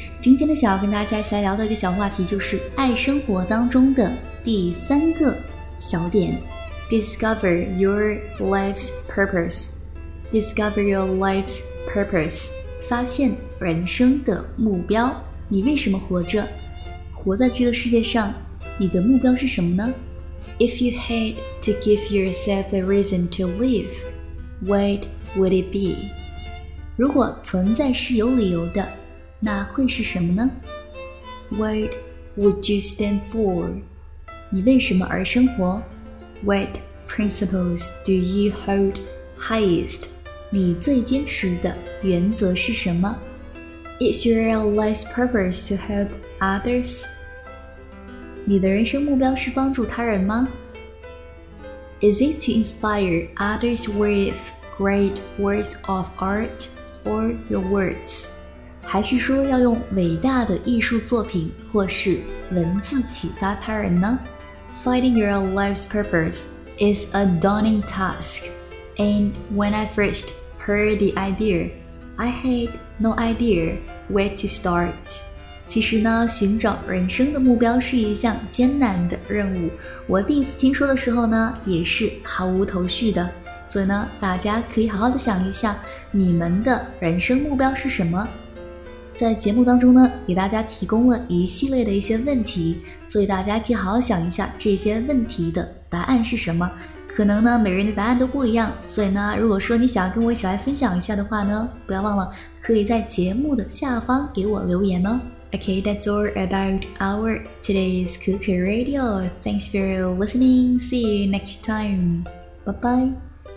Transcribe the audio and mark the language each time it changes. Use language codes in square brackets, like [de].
[zh] 今天呢，想要跟大家一起来聊的一个小话题，就是爱生活当中的第三个小点。 [en] Discover your life's purpose. Discover your life's purpose. [zh] 发现人生的目标。你为什么活着？活在这个世界上，你的目标是什么呢？ [en] If you had to give yourself a reason to live, what would it be? [zh] 如果存在是有理由的，那会是什么呢？ [en] What would you stand for? [zh] 你为什么而生活？ [en] What principles do you hold highest? [zh] 你最坚持的原则是什么？ [en] Is your life's purpose to help others? [zh] 你的人生目标是帮助他人吗？ [en] Is it to inspire others with great works of art or your words? [zh] 还是说要用伟大的艺术作品或是文字启发他人呢？ [en] Finding your life's purpose is a daunting task. And when I first heard the idea, I had no idea where to start. [zh] 其实呢，寻找人生的目标是一项艰难的任务。我第一次听说的时候呢，也是毫无头绪的。所以呢，大家可以好好的想一下，你们的人生目标是什么？在节目当中呢，给大家提供了一系列的一些问题，所以大家可以好好想一下这些问题的答案是什么。可能呢，每人的答案都不一样，所以呢，如果说你想要跟我一起来分享一下的话呢，不要忘了可以在节目的下方给我留言哦。 [en] Okay, that's all about our today's Kuku Radio. Thanks for listening. See you next time. Bye bye.